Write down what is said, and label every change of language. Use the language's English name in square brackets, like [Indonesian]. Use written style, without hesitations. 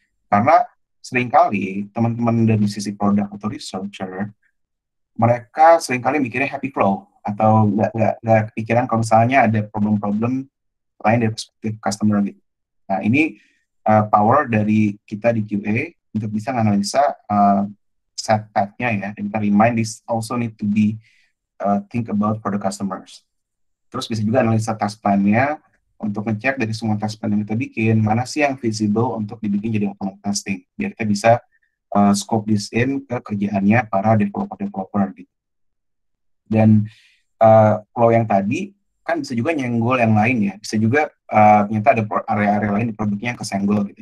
[Indonesian] Karena seringkali teman-teman dari sisi product atau researcher, mereka seringkali mikirnya happy flow, atau nggak kepikiran kalau misalnya ada problem-problem lain dari perspektif customer gitu. Nah, ini power dari kita di QA, untuk bisa menganalisa setbacknya ya. [English] And bear in mind, this also need to be think about for the customers. [Indonesian] Terus bisa juga analisa task plan-nya untuk ngecek dari semua task plan yang kita bikin, mana sih yang feasible untuk dibikin jadi automatic testing, biar kita bisa [English] scope this in [Indonesian] ke kerjaannya para developer-developer. Dan kalau yang tadi, kan bisa juga nyenggol yang lain ya, bisa juga ternyata ada area-area lain di produknya yang kesenggol gitu.